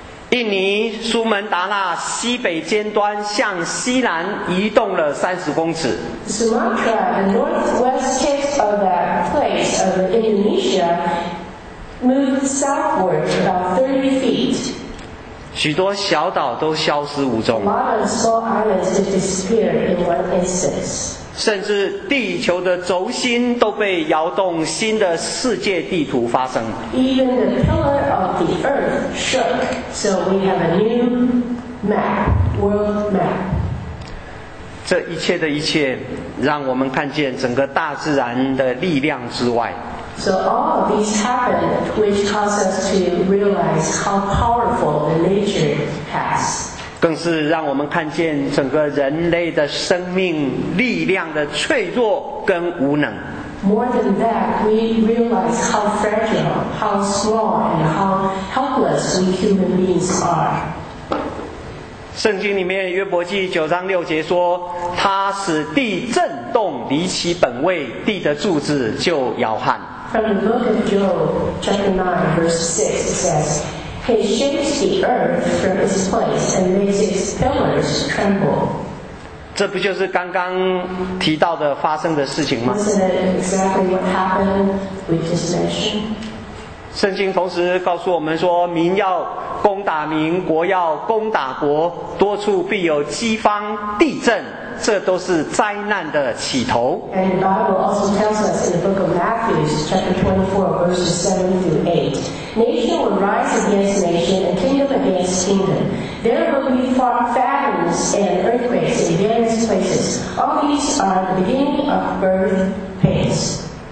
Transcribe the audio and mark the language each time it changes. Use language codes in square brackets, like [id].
[zh] 印尼苏门答腊西北尖端向西南移动了30公尺。 [en] Sumatra, the northwest tip of that place of Indonesia, moved southward about 30 feet. [zh] 许多小岛都消失无踪。 [en] A lot of small islands disappeared in one instance. [zh] 甚至地球的轴心都被摇动，新的世界地图发生。 [en] Even the pillar of the earth shook, so we have a new map, world map. [zh] 这一切的一切，让我们看见整个大自然的力量之外。 [en] So all of these happened, which caused us to realize how powerful the nature has. [zh] 更是让我们看见整个人类的生命力量的脆弱跟无能。 [en] More than that, we realize how fragile, how small, and how helpless we human beings are. [zh] 圣经里面约伯记9:6说，他使地震动，离其本位，地的柱子就摇撼。 [en] From the book of Job, chapter 9, verse 6, it says,He shakes the earth from its place and makes its pillars tremble. [zh] 这不就是刚刚提到的发生的事情吗？ [en] Isn't that exactly what happened we just mentioned? [zh] 圣经同时告诉我们说，民要攻打民，国要攻打国，多处必有饥荒、地震，这都是灾难的起头。 [en] And the Bible also tells us in the book of Matthew, chapter 24, verses 7-8, nation will rise against nation, and kingdom against kingdom. There will be famines and earthquakes in various places. All these are the beginning of birth pains.